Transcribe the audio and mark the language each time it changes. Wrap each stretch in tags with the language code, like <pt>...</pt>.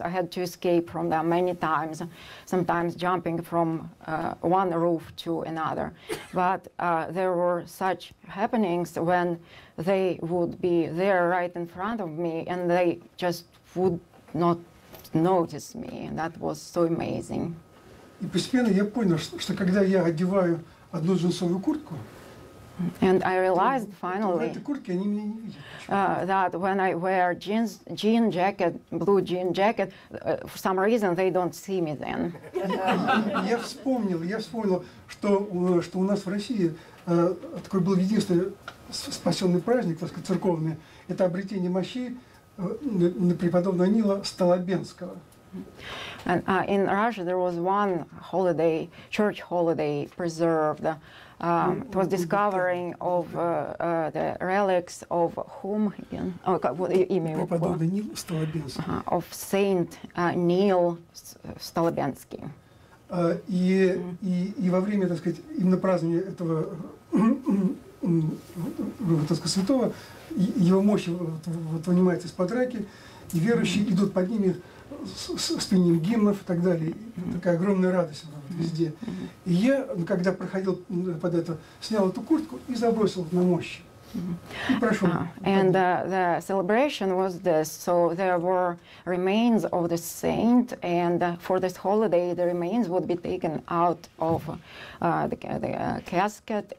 <en>I had to escape from them many times, sometimes jumping from one roof to another. But there were such happenings when they would be there right in front of me, and they just would not notice me. That was so amazing.</en> <ru>И постепенно я понял, что когда я одеваю одну джинсовую куртку,</ru> <en>and I realized finally that when I wear blue jean jacket, for some reason they don't see me then.</en> <ru>Я вспомнил, что у нас в России такой был единственный спасенный праздник, так сказать, церковный. Это обретение мощи преподобного Нила Столобенского.</ru> <en>And in Russia there was one holiday, church holiday preserved. It was discovering of the relics of whom again? Of Saint Neil Столобенский.</en> <ru>И во время, так сказать, именно празднования этого, так сказать, святого, его мощь вот вынимается из-под раки, и верующие идут под ними с пением гимнов и так далее. Такая огромная радость вот, везде. И я, когда проходил под это, снял эту куртку и забросил на мощи.</ru> <en>And the celebration was this. So there were remains of the saint, and for this holiday, the remains would be taken out of the casket.</en>